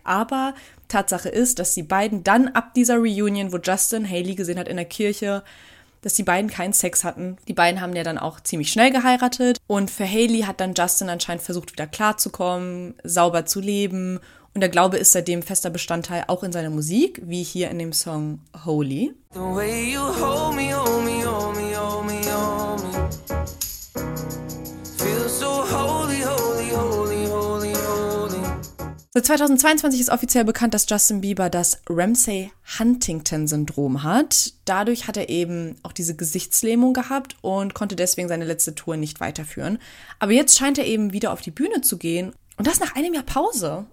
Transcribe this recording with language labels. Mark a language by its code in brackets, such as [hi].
[de] Aber Tatsache ist, dass die beiden dann ab dieser Reunion, wo Justin Hayley gesehen hat in der Kirche, dass die beiden keinen Sex hatten. Die beiden haben ja dann auch ziemlich schnell geheiratet. Und für Hayley hat dann Justin anscheinend versucht, wieder klarzukommen, sauber zu leben. Und der Glaube ist seitdem fester Bestandteil auch in seiner Musik, wie hier in dem Song Holy. [en] The way you hold me, hold me, hold me, hold me, hold me. [de] Seit 2022 ist offiziell bekannt, dass Justin Bieber das Ramsay-Huntington-Syndrom hat. Dadurch hat er eben auch diese Gesichtslähmung gehabt und konnte deswegen seine letzte Tour nicht weiterführen. Aber jetzt scheint er eben wieder auf die Bühne zu gehen und das nach einem Jahr Pause.